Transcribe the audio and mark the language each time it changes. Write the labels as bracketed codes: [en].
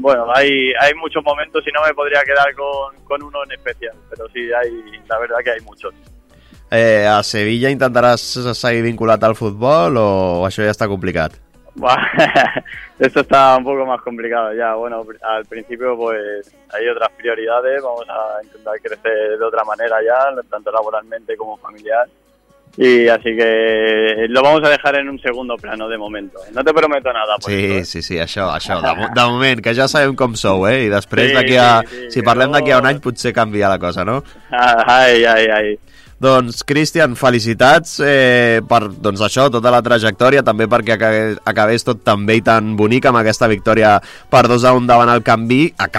[es] Bueno, hay muchos momentos y no me podría quedar con uno en especial, pero sí, la verdad que hay muchos. [ca] A Sevilla intentaràs seguir vinculat al futbol o això ja està complicat? [es] Bueno, esto está un poco más complicado ya. Bueno, al principio pues hay otras prioridades, vamos a intentar crecer de otra manera ya, tanto laboralmente como familiar. Y así que lo vamos a dejar en un segundo plano de momento. No te prometo nada. [ca] Sí, sí, sí, això, de moment, que ja sabem com sou, eh? I després, sí, d'aquí a, sí, sí, si parlem d'aquí a un any, potser canvia la cosa, no? Ai, ai, ai. Doncs, Cristian, felicitats per doncs això, tota la trajectòria, també perquè acabés tot tan bé i tan bonic amb aquesta victòria per 2-1 davant el Campí.